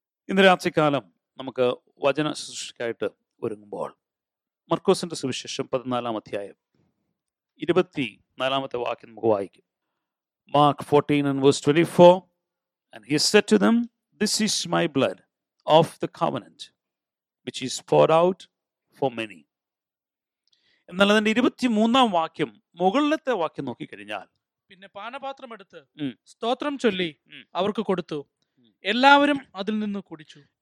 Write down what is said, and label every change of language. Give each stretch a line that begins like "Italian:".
Malayalam: ഇന്ന് രാത്രികാലം നമുക്ക് വചന ശുശ്രൂഷയ്ക്കായിട്ട് ഒരുങ്ങുമ്പോൾ മർക്കോസിന്റെ സുവിശേഷം 14:24 വാക്യം നമുക്ക് വായിക്കും.
English: Mark 14:24, and he said to them, this is my blood of the covenant which is poured out for many.
Malayalam: എന്നാൽ അതിന്റെ 23 വാക്യം മുകളിലത്തെ വാക്യം നോക്കി കഴിഞ്ഞാൽ, പിന്നെ പാനപാത്രം എടുത്ത് സ്തോത്രം ചൊല്ലി അവർക്ക് കൊടുത്തു, എല്ലാവരും അതിൽ നിന്ന് കുടിച്ചു.